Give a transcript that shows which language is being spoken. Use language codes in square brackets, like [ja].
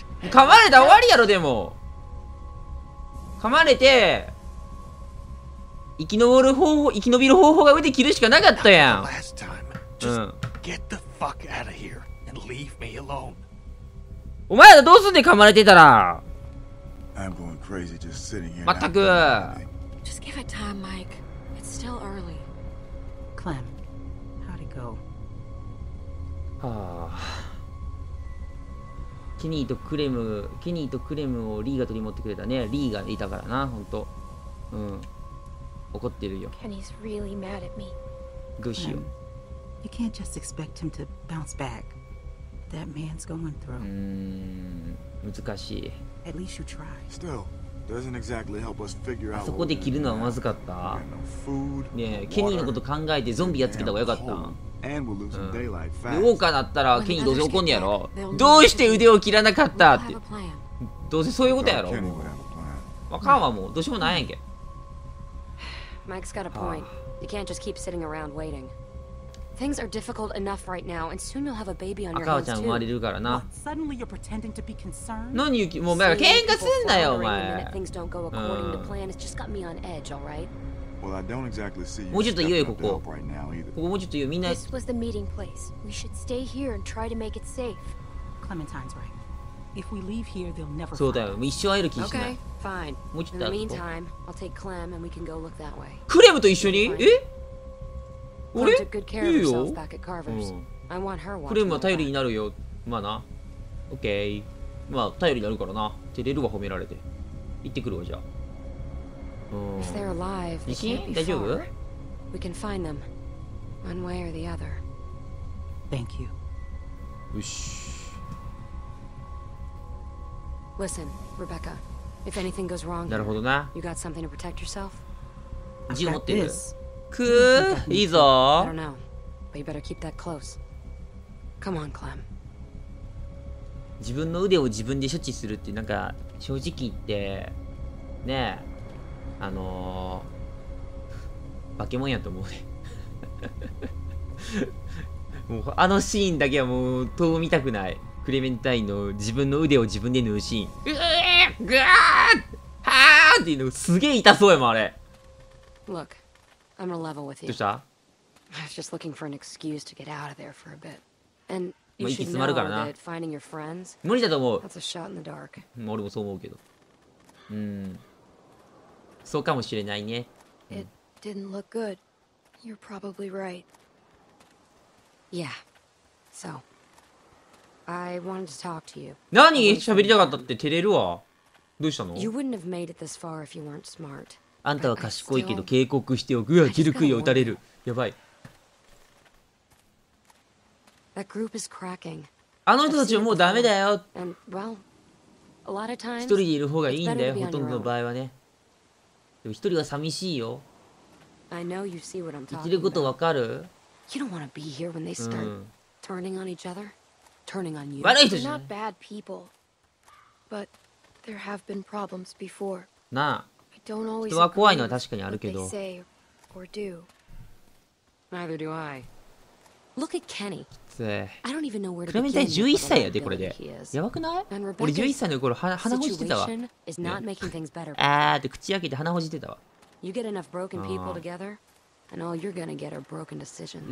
[ja] 噛まれたら終わりやろでも。噛まれて生き延びる方法が上で切るしかなかったやん。 [en] Last time, just get the fuck out of here and leave me alone. [ja] お前らどうすんねん噛まれてたら。 [en] I'm going crazy just sitting here. [ja] まったく。 [en] Just give it time, Mike. It's still early. Clem. [ja] はあ、ケニーとクレム、ケニーとクレムをリーが取り持ってくれたね。リーがいたからな、本当。うん、怒ってるよ。 [en] ケニー's really mad at me. [ja] どうしよう。 [en] You can't just expect him to bounce back. That man's going through. [ja] 難しい。 [en] At least you try. Still, doesn't exactly help us figure out. [ja] そこで切るのはまずかった。 [en] Food, [ja] ねえ、ケニーのこと考えてゾンビやっつけた方がよかった。 [en] And we'll lose some daylight fast. [ja] ウォーカーだったらケニーどうせ怒んねやろ。どうして腕を切らなかったって。どうせそういうことやろ。わかんわもう。どうしようもないやんけ。 [en] Mike's got a point. You can't just keep sitting around waiting. Things are difficult enough right now, and soon you'll have a baby on your hands too. [ja] 赤ちゃん生まれるからな。 [en] Suddenly you're pretending to be concerned. [ja] 何言う気。もうまあ喧嘩すんなよお前。 [en] Things don't go according to plan. It's just got me on edge, all right? Well, I don't exactly see you. [ja] もうちょっと言うよ、ここ。ここもうちょっと言うよ、みんな。 [en] This was the meeting place. We should stay here and try to make it safe. Clementine's right. If we leave here, they'll never find us. [ja] そうだよ、一生会える気しない。 [en] Okay, fine. [ja] もうちょっと [en] In the meantime, I'll take Clem and we can go look that way. [ja] クレムと一緒に？え？俺？いいよ。 [en] Clem took good care of herself back at I want her [ja] クレムは頼りになるよ。まあな。OK。まあ、頼りになるからな。照れるわ、褒められて。行ってくるわ、じゃあ。 [en] If they're alive, they can't be far. We can find them, one way or the other. Thank you. Listen, Rebecca. If anything goes wrong, [ja] なるほどな。 [en] You got something to protect yourself? I've got this. [ja] くー、いいぞ。 [en] I don't know, but you better keep that close. Come on, Clem. [ja] 自分の腕を自分で処置するってなんか正直言ってねえ。化け物やと思うねもうあのシーンだけはもう遠見たくない。クレメンタインの自分の腕を自分で縫うシーン。うえぐあっはあっていうのすげえ痛そうやもんあれ。 [en] Look, I'm gonna level with you. [ja] どうした [en] ?I was just looking for an excuse to get out of there for a bit. And [ja] もう息詰まるからな。無理だと思う。 [en] That's a shot in the dark. [ja] 俺もそう思うけど。そうかもしれないね。 [en] It didn't look good. You're probably right. Yeah. So, I wanted to talk to you. [ja] 何？喋りたかったって照れるわ。どうしたの？ [en] You wouldn't have made it this far if you weren't smart. [ja] あんたは賢いけど警告しておく。うわ、ジルクイを撃たれる。やばい。 [en] That group is cracking. [ja] あの人たちはもうダメだよ。 [en] And, well, a lot of times, [ja] 一人でいる方がいいんだよ、ほとんどの場合はね。でも一人は寂しいよ。言ってることわかる？ [en] You don't want to be here when they start turning on each other, turning on you. [ja] 悪い人じゃん。 [en] They're not bad people, but there have been problems before. [ja] なあ。人は怖いのは確かにあるけど。 [en] or do? Neither do I. Look at Kenny. I don't even know where to begin. [ja] 11歳やでこれで。やばくない？俺11歳の頃鼻ほじってたわ。ね、って口開けて鼻ほじってたわ。 [en] You get enough broken people together, and all you're gonna get are broken decisions.